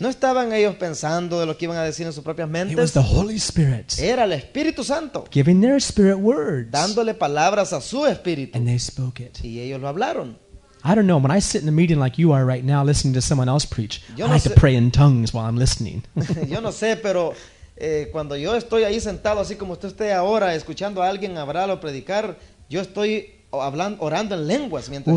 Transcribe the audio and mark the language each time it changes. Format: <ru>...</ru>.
<es>No estaban ellos pensando de lo que iban a decir en sus propias mentes.</es> <en>It was the Holy Spirit.</en> <es>Era el Espíritu Santo.</es> <en>Giving their spirit words.</en> <es>Dándole palabras a su espíritu.</es> <en>And they spoke it.</en> <es>Y ellos lo hablaron.</es> <en>I don't know, when I sit in a meeting like you are right now listening to someone else preach, I like to pray in tongues while I'm listening.</en> <es>Yo no sé, pero cuando yo estoy ahí sentado así como usted esté ahora escuchando a alguien hablar o predicar, yo estoy hablando, orando en lenguas mientras</es>